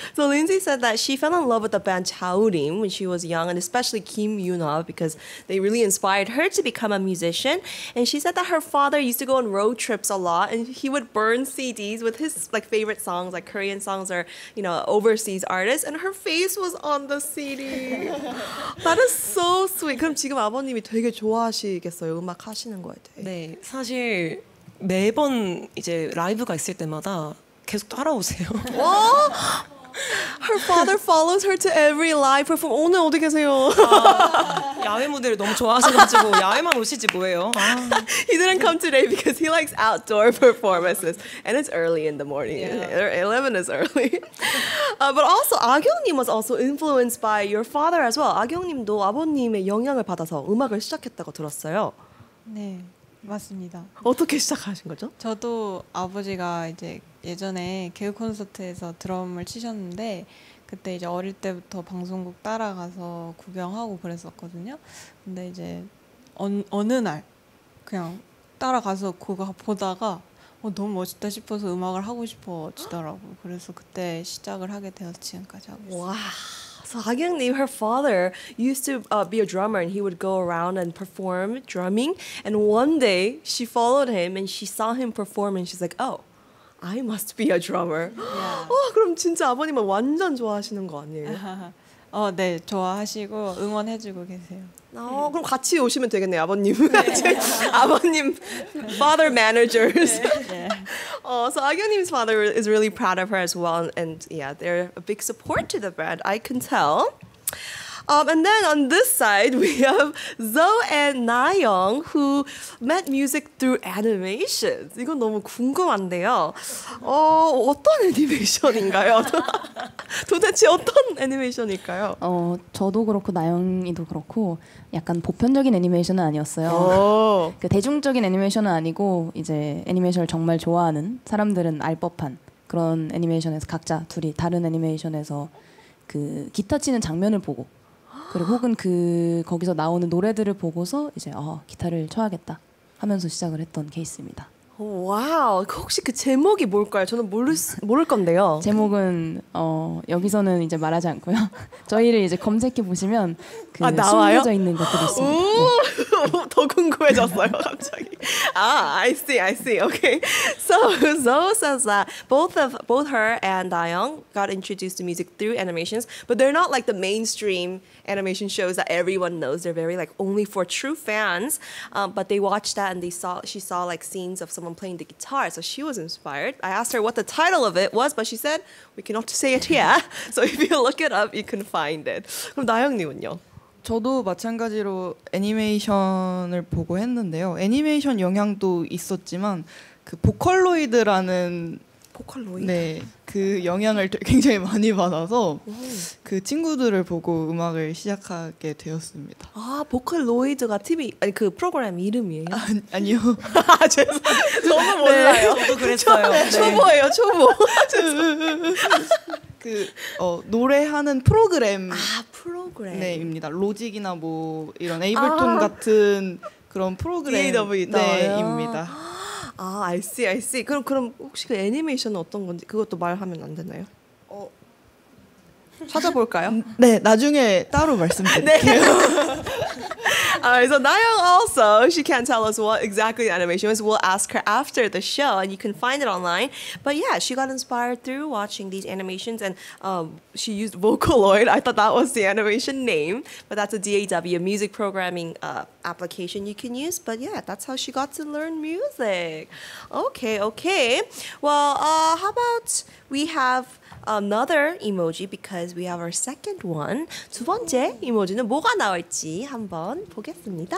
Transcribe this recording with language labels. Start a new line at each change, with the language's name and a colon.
English: So Lindsay said that she fell in love with the band 자우림 when she was young, and especially Kim Yuna because they really inspired her to become a musician. And she said that her father used to go on road trips a lot, and he would burn CDs with his like favorite songs, like Korean songs or you know overseas artists. And her face was on the CD. That is so sweet.
Korean: 그럼 지금 아버님이 되게 좋아하시겠어요 음악 하시는 거에 대해. 네, 사실 매번 이제 라이브가 있을 때마다. 계속 따라오세요.
English: Her father follows her to every live performance.
Korean: 오늘 어디 계세요? 야외 무대를 너무 좋아하셔가지고 야외만 오시지 뭐예요?
English: He didn't come today because he likes outdoor performances. And it's early in the morning. Yeah. 11 is early. But also, 아경님 was also influenced by your father as well.
Korean: 아경님도 아버님의 영향을 받아서 음악을 시작했다고 들었어요. 네. 맞습니다. 어떻게 시작하신 거죠? 저도 아버지가 이제 예전에 개그 콘서트에서 드럼을 치셨는데 그때 이제 어릴 때부터 방송국 따라가서 구경하고 그랬었거든요. 근데 이제 어느 날 그냥 따라가서 그거 보다가 너무 멋있다 싶어서 음악을 하고 싶어지더라고. 그래서 그때 시작을 하게 되어서 지금까지 하고 있어요. 와.
English: So Hagyung-nim, her father, used to be a drummer and he would go around and perform drumming. And one day, she followed him and she saw him perform and she's like, oh, I must be a drummer. Yeah.
Korean: 그럼 진짜 아버님은 완전 좋아하시는 거 아니에요? 네, 좋아하시고 응원해주고 계세요. 아, 그럼 같이 오시면 되겠네요, 아버님. 네. 아버님,
English: father managers.
Korean: 네. 네.
English: So, Agyeongnim's father is really proud of her as well. And yeah, they're a big support to the brand, I can tell. And then on this side, we have Zoe and Nayoung, who met music through animations.
Korean: 이건 너무 궁금한데요. 어떤 애니메이션인가요? 도대체 어떤 애니메이션일까요? 저도 그렇고 나영이도 그렇고 약간 보편적인 애니메이션은 아니었어요. 그 대중적인 애니메이션은 아니고 이제 애니메이션을 정말 좋아하는 사람들은 알법한 그런 애니메이션에서 각자 둘이 다른 애니메이션에서 그 기타 치는 장면을 보고 그리고 혹은 그 거기서 나오는 노래들을 보고서 이제 기타를 쳐야겠다 하면서 시작을 했던 케이스입니다. 와우, 혹시 그 제목이 뭘까요? 저는 모를 건데요. 제목은 여기서는 이제 말하지 않고요. 저희를 이제 검색해 보시면 그 숨겨져 있는 것들이 있습니다. 오, 네. 더 궁금해졌어요, 갑자기.
English: I see. Okay. So Zoe says that both her and Dayoung got introduced to music through animations, but they're not like the mainstream animation shows that everyone knows. They're very like only for true fans. But they watched that and she saw like scenes of someone playing the guitar, so she was inspired. I asked her what the title of it was, but she said we cannot say it here. So if you look it up, you can find it.
Korean: 그럼 나영님은요? 저도 마찬가지로 애니메이션을 보고 했는데요. 애니메이션 영향도 있었지만 그 보컬로이드라는 네, 그 영향을 굉장히 많이 받아서 그 친구들을 보고 음악을 시작하게 되었습니다. 아, 보컬로이드가 TV 아니 그 프로그램 이름이에요? 아니요. 죄송해요. 너무 몰라요. 네, 저도 그랬어요. 네. 초보예요, 초보. 그 노래하는 프로그램. 아, 프로그램. 네, 입니다. 로직이나 뭐 이런 에이블톤 같은 그런 프로그램 입니다.
English: 아, I see.
Korean: 그럼 혹시 그 애니메이션은 어떤 건지 그것도 말하면 안 되나요? 찾아볼까요? 네, 나중에 따로 말씀드릴게요. 네.
English: Alright, so Nayoung also, she can't tell us what exactly the animation is. We'll ask her after the show, and you can find it online. But yeah, she got inspired through watching these animations, and she used Vocaloid. I thought that was the animation name, but that's a DAW, music programming application you can use. But yeah, that's how she got to learn music. Okay. Well, how about we have another emoji because we have our second one.
Korean: 두 번째 이모지는 뭐가 나올지 한번 보겠습니다.